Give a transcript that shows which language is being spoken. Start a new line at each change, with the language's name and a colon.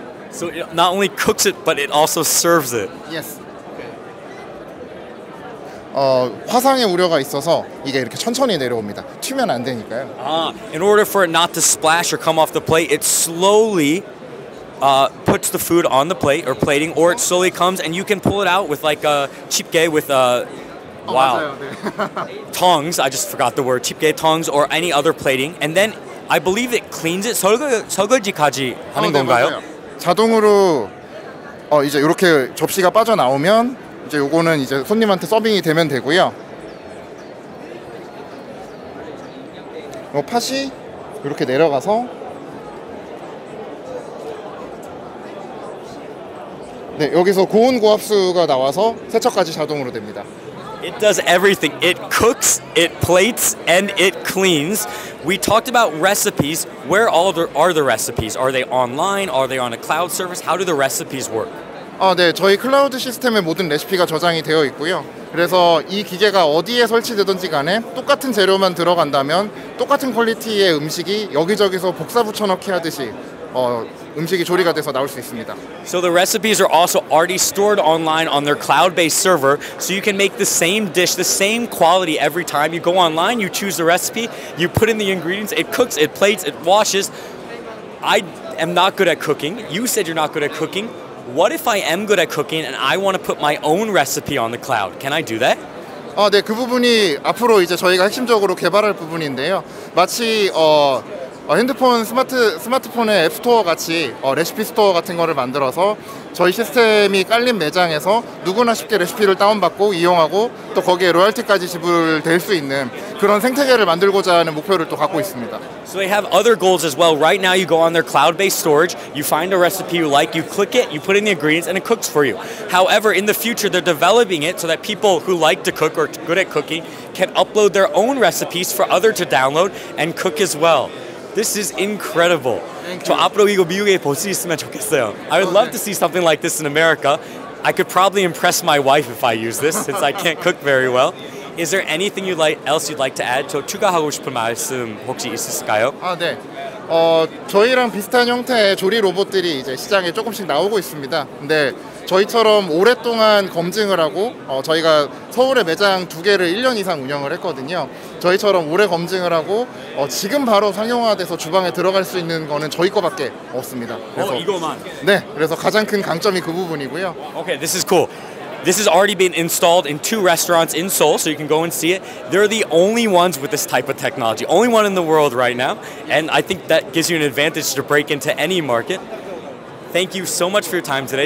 English: So it not only cooks it, but it also serves it. Yes. Okay.
Korean: 화상의 우려가 있어서 이게 이렇게 천천히 내려옵니다. 튀면 안 되니까요.
English: In order for it not to splash or come off the plate, it slowly puts the food on the plate or plating, or it slowly comes and you can pull it out with like a 집게 with a
Korean: wow 네.
English: tongs. I just forgot the word 집게 tongs or any other plating, and then I believe it cleans it.
Korean: 설거지까지 하는 건가요? 네, 자동으로 이제 이렇게 접시가 빠져나오면 이제 요거는 이제 손님한테 서빙이 되면 되고요. 팥이 이렇게 내려가서 네, 여기서 고온 고압수가 나와서 세척까지 자동으로 됩니다.
English: It does everything. It cooks, it plates, and it cleans. We talked about recipes. Where all are the recipes? Are they online? Are they on a cloud service? How do the recipes work?
Korean: 네, 저희 클라우드 시스템에 모든 레시피가 저장이 되어 있고요. 그래서 이 기계가 어디에 설치되든지 간에 똑같은 재료만 들어간다면 똑같은 퀄리티의 음식이 여기저기서 복사 붙여넣기 하듯이 음식이 조리가 돼서 나올 수 있습니다.
English: So the recipes are also already stored online on their cloud-based server, so you can make the same dish, the same quality every time. You go online, you choose the recipe, you put in the ingredients, it cooks, it plates, it washes. I am not good at cooking. You said you're not good at cooking. What if I am good at cooking and I want to put my own recipe on the cloud? Can I do that?
Korean: 네, 그 부분이 앞으로 이제 저희가 핵심적으로 개발할 부분인데요. 마치 핸드폰 스마트폰의 앱스토어 같이 레시피 스토어 같은 거를 만들어서 저희 시스템이 깔린 매장에서 누구나 쉽게 레시피를 다운받고 이용하고 또 거기에 로열티까지 지불될 수 있는 그런 생태계를 만들고자 하는 목표를 또 갖고 있습니다.
English: So they have other goals as well. Right now you go on their cloud-based storage, you find a recipe you like, you click it, you put in the ingredients and it cooks for you. However, in the future they're developing it so that people who like to cook or good at cooking can upload their own recipes for others to download and cook as well. This is incredible.
Korean: 저 앞으로 이거 미국에 볼 수 있으면 좋겠어요.
English: I would love to see something like this in America. I could probably impress my wife if I use this, since I can't cook very well. Is there anything else you'd like to add?
Korean: 저 추가하고 싶은 말씀 혹시 있으실까요? 아, 네. 저희랑 비슷한 형태의 조리 로봇들이 이제 시장에 조금씩 나오고 있습니다. 근데 저희처럼 오랫동안 검증을 하고 저희가 서울에 매장 두 개를 1년 이상 운영을 했거든요. 저희처럼 오래 검증을 하고 지금 바로 상용화돼서 주방에 들어갈 수 있는 거는 저희 거밖에 없습니다. 그래서 이거만. 네. 그래서 가장 큰 강점이 그 부분이고요.
English: Okay, this is cool. This has already been installed in two restaurants in Seoul, so you can go and see it. They're the only ones with this type of technology. Only one in the world right now. And I think that gives you an advantage to break into any market. Thank you so much for your time today.